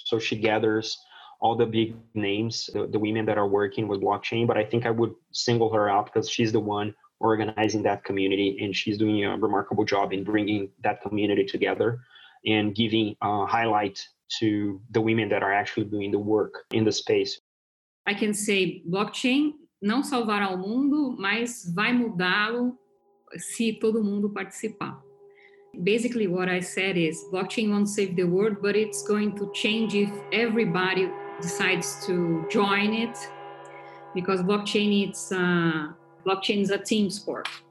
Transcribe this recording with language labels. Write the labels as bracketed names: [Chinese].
[English] So she gathers all the big names, the women that are working with blockchain. But I think I would single her out because she's the one organizing that community, and she's doing a remarkable job in bringing that community together and giving a highlight to the women that are actually doing the work in the space. I can say [Portuguese] blockchain não salvará o mundo, mas vai mudá-lo se todo mundo participar. [English] Basically, what I said is blockchain won't save the world, but it's going to change if everybody decides to join it, because blockchain it's blockchain is a team sport.